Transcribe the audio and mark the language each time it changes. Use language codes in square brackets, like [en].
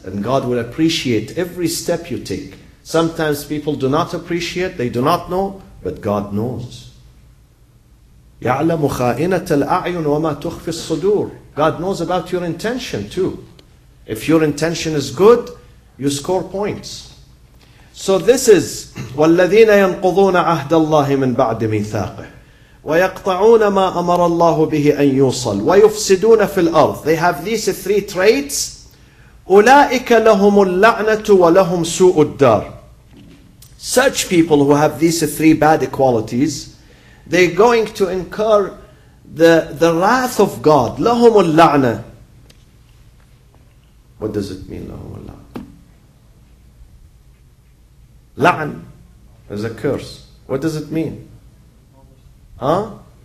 [en] And God will appreciate every step you take. Sometimes people do not appreciate, they do not know, but God knows. [ar] يَعْلَمُ خَائِنَةَ الْأَعْيُنُ وَمَا تُخْفِي الصُّدُورِ. [en] God knows about your intention too. If your intention is good, you score points. So this is [ar] وَالَّذِينَ يَنْقُضُونَ عَهْدَ اللَّهِ مِنْ بَعْدِ مِيثَاقِهِ ويقطعون ما أمر الله به أن يوصل ويفسدون في الأرض. [en] They have these three traits. [ar] أولئك لهم اللعنة ولهم سوء الدار. [en] Such people who have these three bad qualities, they're going to incur the wrath of God. [ar] لهم اللعنة. [en] What does it mean, [ar] لهم اللعنة? [en] لعن is a curse. What does it mean? Huh?